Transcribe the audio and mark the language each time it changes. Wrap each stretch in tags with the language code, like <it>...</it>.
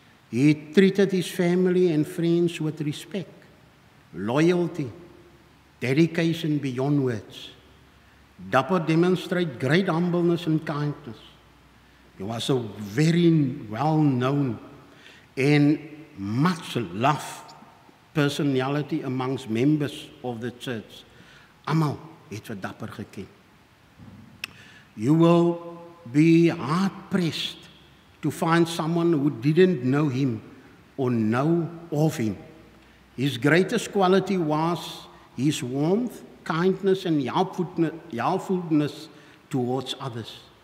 <en>He treated his family and friends with respect, loyalty, dedication beyond words. Dapper demonstrated great humbleness and kindness. He was a very well-known and much-loved personality amongst members of the church.</en> <af>Amal het vir Dapper geken.</af> <en>You will be hard-pressed to find someone who didn't know him or know of him. His greatest quality was his warmth, kindness, and helpfulness towards others.</en>